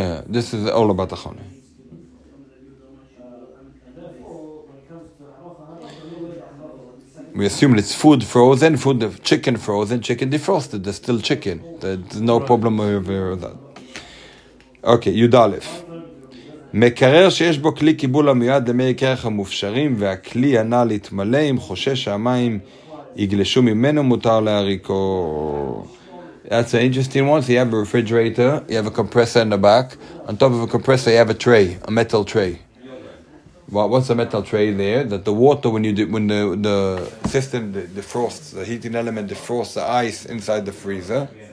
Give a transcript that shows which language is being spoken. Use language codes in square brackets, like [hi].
[en] This is all about אחונה. We assume it's food frozen, food of chicken frozen, chicken defrosted, there's still chicken. There's no problem over that. Okay, יוד א'. [he] מקרר שיש בו כלי קיבול המיועד למי קרח המופשרים, והכלי ענה להתמלא אם חושש שהמים יגלשו ממנו מותר להריקו. [en] That's an interesting one. So you have a refrigerator, you have a compressor in the back. On top of a compressor you have a tray, a metal tray. What's the metal tray there? That the water, when the system defrosts, the heating element defrosts the ice inside the freezer.